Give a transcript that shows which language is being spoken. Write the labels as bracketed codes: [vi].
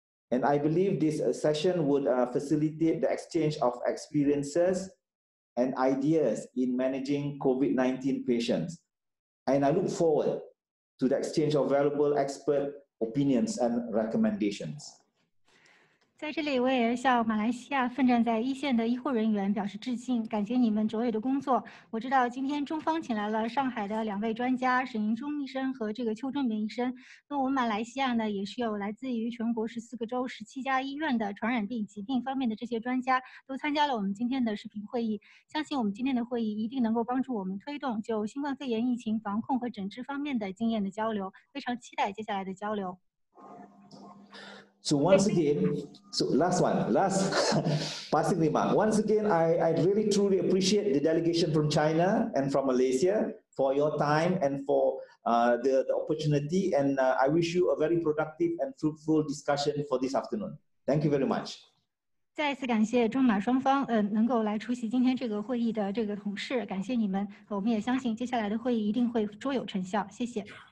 [en] And I believe this session would facilitate the exchange of experiences and ideas in managing COVID-19 patients. And I look forward to the exchange of valuable expert opinions and recommendations. [zh] 在这里，我也向马来西亚奋战在一线的医护人员表示致敬，感谢你们卓越的工作。我知道今天中方请来了上海的两位专家沈银忠医生和这个邱春明医生。那我们马来西亚呢，也是有来自于全国14个州、17家医院的传染病疾病方面的这些专家都参加了我们今天的视频会议。相信我们今天的会议一定能够帮助我们推动就新冠肺炎疫情防控和诊治方面的经验的交流。非常期待接下来的交流。 [en] So once again, so last one, once again, I really truly appreciate the delegation from China and from Malaysia for your time and for the opportunity. And I wish you a very productive and fruitful discussion for this afternoon. Thank you very much. [zh] 再一次感谢中马双方能够来出席今天这个会议的这个同事，感谢你们。我们也相信接下来的会议一定会卓有成效，谢谢。